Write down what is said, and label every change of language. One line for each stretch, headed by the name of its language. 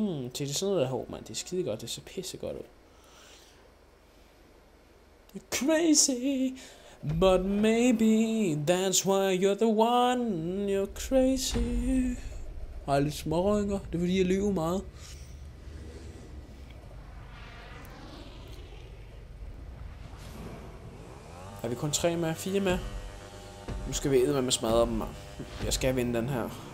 Danish: Til det sådan noget, der hår, mand. Det er skide godt. Det er så pisse godt ud.
English: Crazy, but maybe that's why you're the one.
Danish: You're crazy. Har lidt smårynker. Det er fordi, jeg lyver meget. Er vi kun tre med? Fire med? Nu skal vi eddermame smadre dem. Jeg skal vinde den her.